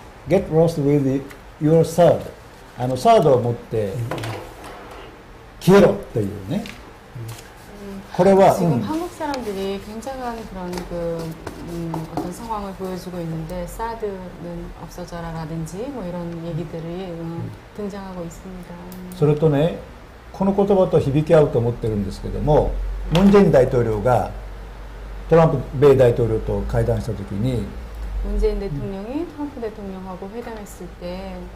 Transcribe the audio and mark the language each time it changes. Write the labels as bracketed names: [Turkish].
[English] Get lost with your third. [Japanese] サードを持って消えろというね。 [Korean] これは, 지금 한국 사람들이 굉장한 그런 그 어떤 상황을 보여주고 있는데 사드는 없어져라라든지 뭐 이런 얘기들이 등장하고 있습니다. 그리고 [Japanese] この言葉と響き合うと思ってるんですけども [Korean] 문재인 대통령이 트럼프 米 대통령과 회담했을때 문재인 대통령이 트럼프 대통령하고 회담했을 때